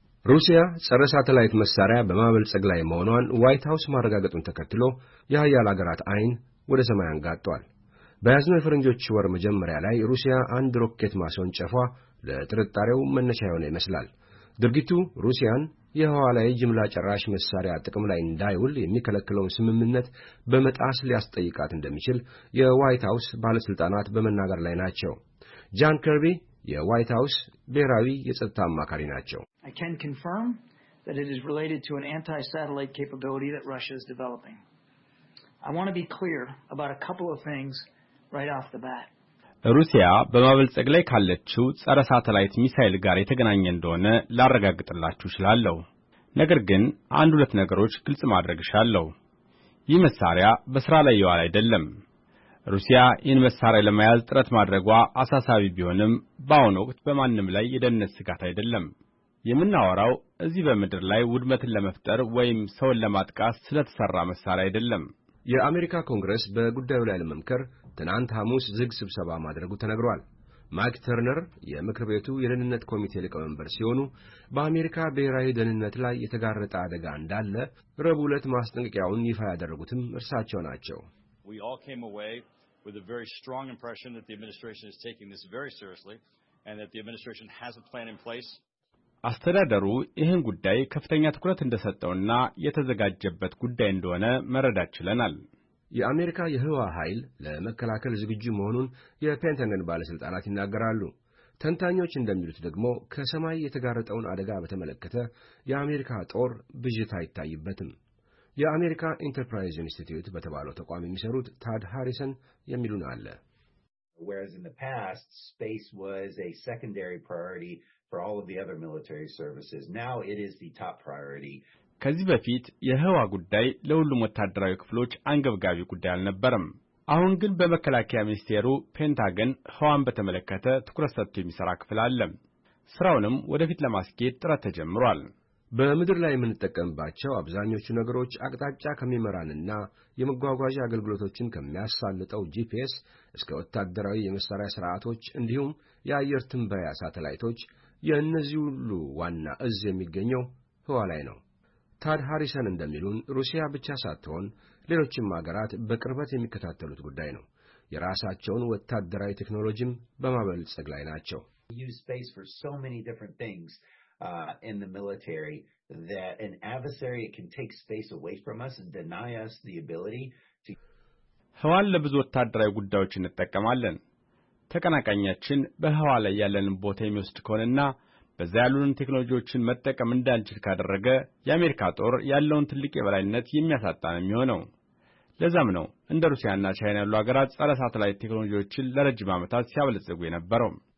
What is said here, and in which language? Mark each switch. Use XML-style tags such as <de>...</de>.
<am>ሩሲያ ጸረ ሳተላይት መሳሪያ በማበልጸግ ላይ መሆኗን ዋይት ሃውስ ማረጋገጡን ተከትሎ የሃያል አገራት አይን ወደ ሰማይ አንጋጧል። በያዝነው የፈረንጆች ወር መጀመሪያ ላይ ሩሲያ አንድ ሮኬት ማስወንጨፏ ለጥርጣሬው መነሻ የሆነ ይመስላል። ድርጊቱ ሩሲያን የህዋ ላይ ጅምላ ጨራሽ መሳሪያ ጥቅም ላይ እንዳይውል የሚከለክለውን ስምምነት በመጣስ ሊያስጠይቃት እንደሚችል የዋይት ሃውስ ባለስልጣናት በመናገር ላይ ናቸው። ጃን ከርቢ የዋይት ሃውስ ብሔራዊ የጸጥታ አማካሪ ናቸው።</am> <en>I can confirm that it is related to an anti-satellite capability that Russia is developing. I want to be clear about a couple of things right off the bat.</en> <am>ሩሲያ በማበልጸግ ላይ ካለችው ጸረ ሳተላይት ሚሳኤል ጋር የተገናኘ እንደሆነ ላረጋግጥላችሁ እችላለሁ። ነገር ግን አንድ ሁለት ነገሮች ግልጽ ማድረግ እሻለሁ። ይህ መሳሪያ በስራ ላይ ያለ አይደለም። ሩሲያ ይህን መሳሪያ ለማያዝ ጥረት ማድረጓ አሳሳቢ ቢሆንም በአሁኑ ወቅት በማንም ላይ የደህንነት ስጋት አይደለም። የምናወራው እዚህ በመድር ላይ ውድመትን ለመፍጠር ወይም ሰውን ለማጥቃት ስለተሰራ መሳሪያ አይደለም። የአሜሪካ ኮንግረስ በጉዳዩ ላይ ለመምከር ትናንት ሐሙስ ዝግ ስብሰባ ማድረጉ ተነግሯል። ማክ ተርነር የምክር ቤቱ የደህንነት ኮሚቴ ሊቀመንበር ሲሆኑ በአሜሪካ ብሔራዊ ደህንነት ላይ የተጋረጠ አደጋ እንዳለ ረቡዕ ዕለት ማስጠንቀቂያውን ይፋ ያደረጉትም እርሳቸው ናቸው።</am> <en>We all came away with a very strong impression that the administration is taking this very seriously and that the administration has a plan in place.</en> <am>አስተዳደሩ ይህን ጉዳይ ከፍተኛ ትኩረት እንደሰጠውና የተዘጋጀበት ጉዳይ እንደሆነ መረዳችለናል። የአሜሪካ የህዋ ኃይል ለመከላከል ዝግጁ መሆኑን የፔንታገን ባለስልጣናት ይናገራሉ። ተንታኞች እንደሚሉት ደግሞ ከሰማይ የተጋረጠውን አደጋ በተመለከተ የአሜሪካ ጦር ብዥታ ይታይበትም። የአሜሪካ ኢንተርፕራይዝ ኢንስቲትዩት በተባለው ተቋም የሚሰሩት ታድ ሃሪሰን የሚሉን አለ።</am> <en>Whereas in the past space was a secondary priority for all of the other military services, now it is the top priority.</en> <am>ከዚህ በፊት የህዋ ጉዳይ ለሁሉም ወታደራዊ ክፍሎች አንገብጋቢ ጉዳይ አልነበረም። አሁን ግን በመከላከያ ሚኒስቴሩ ፔንታገን ህዋን በተመለከተ ትኩረት ሰጥቶ የሚሰራ ክፍል አለ። ስራውንም ወደፊት ለማስኬድ ጥረት ተጀምሯል። በምድር ላይ የምንጠቀምባቸው አብዛኞቹ ነገሮች አቅጣጫ ከመመራንና የመጓጓዣ አገልግሎቶችን ከሚያሳልጠው GPS እስከ ወታደራዊ የመሰራያ ስርዓቶች እንዲሁም የአየር ትንበያ ሳተላይቶች የነዚህ ሁሉ ዋና እዝ የሚገኘው ህዋ ላይ ነው። ታድ ሃሪሰን እንደሚሉን ሩሲያ ብቻ ሳትሆን ሌሎችም ሀገራት በቅርበት የሚከታተሉት ጉዳይ ነው። የራሳቸውን ወታደራዊ ቴክኖሎጂም በማበልጸግ ላይ ናቸው።</am> <en>Use space for so many different things in the military that an adversary can take space away from us and deny us the ability to</en> <am>ህዋን ለብዙ ወታደራዊ ጉዳዮች እንጠቀማለን። ተቀናቃኛችን በህዋ ላይ ያለን ቦታ የሚወስድ ከሆነና በዛ ያሉን ቴክኖሎጂዎችን መጠቀም እንዳንችል ካደረገ የአሜሪካ ጦር ያለውን ትልቅ የበላይነት የሚያሳጣ ነው የሚሆነው። ለዛም ነው እንደ ሩሲያና ቻይና ያሉ ሀገራት ጸረ ሳተላይት ቴክኖሎጂዎችን ለረጅም ዓመታት ሲያበለጽጉ የነበረው።</am>